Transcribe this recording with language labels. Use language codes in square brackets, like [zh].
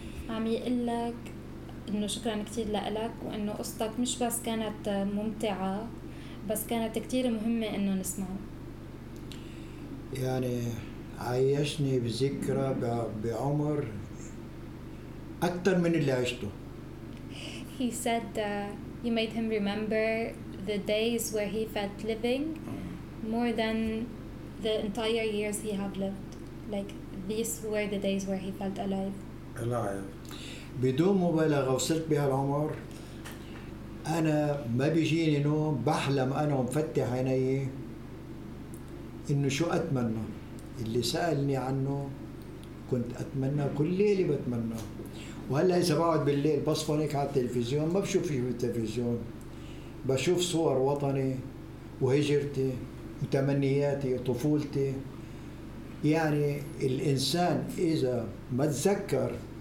[ar] عم يقول لك إنه شكراً كتير لألك وإنه قصتك مش بس كانت ممتعة بس كانت كتير مهمة إنه نسمعها. يعني عايشني بذكرى بعمر أكثر من اللي عشته. [en] He said you made him remember the days where he felt living more than the entire years he had lived. Like these were the days where he felt alive. Alive. [ar] بدون مبالغة وصلت بهالعمر أنا ما بيجيني نوم بحلم أنا ومفتح عيني إنه شو أتمنى اللي سألني عنه كنت أتمنى كل ليلة بتمنى وهلا إذا بقعد بالليل بصفى هيك على التلفزيون ما بشوف شيء بالتلفزيون بشوف صور وطني وهجرتي وتمنياتي وطفولتي يعني الإنسان إذا ما تذكر